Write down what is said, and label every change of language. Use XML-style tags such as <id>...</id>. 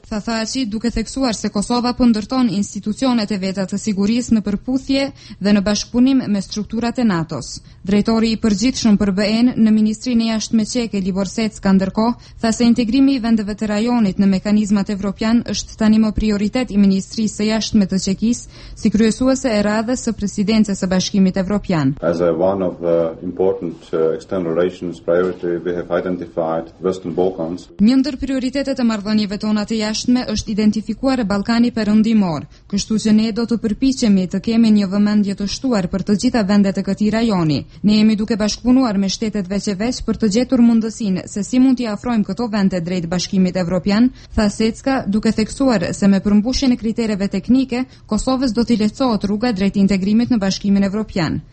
<sq>Tha Thaçi, duke theksuar se Kosova po ndërton institucionet e veta të sigurisë në përputhje dhe në bashkëpunim me strukturat e NATO-s. Drejtori i përgjithshëm për BE-n në Ministrinë e Jashtme Çeke, Libor Secka, ndërkohë, tha se integrimi i vendeve të rajonit në mekanizmat evropian është tani më prioritet i Ministrisë së Jashtme të Çekisë, si kryesuese e radhës së presidencës së Bashkimit Evropian.</sq> <en>As one of the important external relations priority, we have identified Western Balkans.</en> <sq>Një ndër prioritetet e marrëdhënieve tona jashtme është identifikuar Ballkani Perëndimor, kështu që ne do të përpiqemi të kemi një vëmendje të shtuar për të gjitha vendet e këtij rajoni. Ne jemi duke bashkëpunuar me shtetet veçevesh për të gjetur mundësinë se si mund t'i afrojmë këto vende drejt Bashkimit Evropian, tha Secka, duke theksuar se me përmbushjen e kritereve teknike, Kosovës do t'i lehtësohet rruga drejt integrimit në Bashkimin Evropian.</sq>